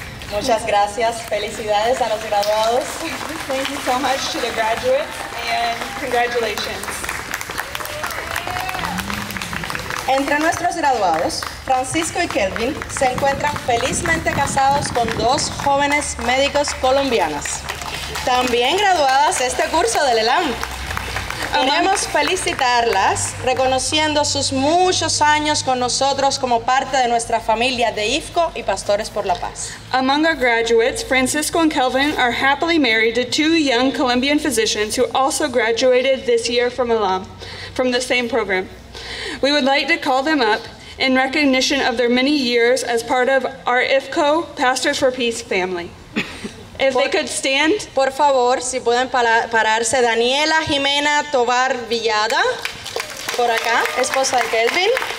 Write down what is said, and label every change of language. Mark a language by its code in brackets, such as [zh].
[es] Muchas gracias. Felicidades a los graduados. [en] Thank you so much to the graduates and congratulations. [es] Entre nuestros graduados, Francisco y Kelvin se encuentran felizmente casados con dos jóvenes médicos colombianas, también graduadas este curso del ELAM. Queremos felicitarlas reconociendo sus muchos años con nosotros como parte de nuestra familia de IFCO y Pastores por la Paz. [en] Among our graduates, Francisco and Kelvin are happily married to two young Colombian physicians who also graduated this year from ELAM, from the same program. We would like to call them up in recognition of their many years as part of our IFCO Pastors for Peace family. If they could stand. [es] Por favor, si pueden pararse Daniela Jimena Tovar Villada, por acá, esposa de Kelvin.